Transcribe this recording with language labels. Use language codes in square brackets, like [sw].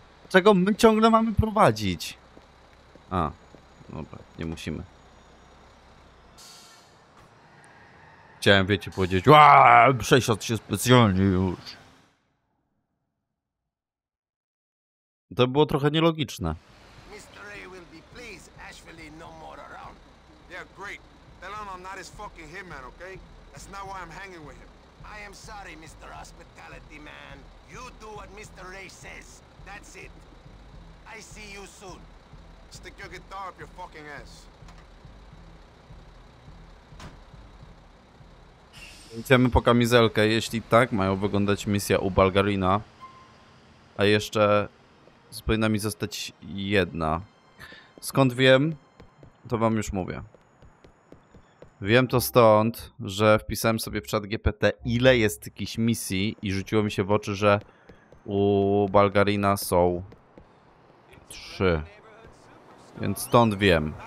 [pl] Czego my ciągle mamy prowadzić? A, dobra, nie musimy. Chciałem, wiecie, powiedzieć, aaa, przesiadł się specjalnie już. To było trochę nielogiczne. [en] Mr. A will be pleased, Ashwilly no more around. Yeah, great. Tell him I'm not his fucking hitman, okay? That's not why I'm hanging with him. I am sorry, Mr. Hospitality Man. You do what Mr. Ray says. That's it. I see you soon. Stick your guitar up your fucking ass. [pl] Idziemy po kamizelkę, jeśli tak mają wyglądać misja u Bulgarina. A jeszcze powinna mi zostać jedna. Skąd wiem? To wam już mówię. Wiem to stąd, że wpisałem sobie w ChatGPT, ile jest jakichś misji i rzuciło mi się w oczy, że u Bulgarina są 3. Więc stąd wiem.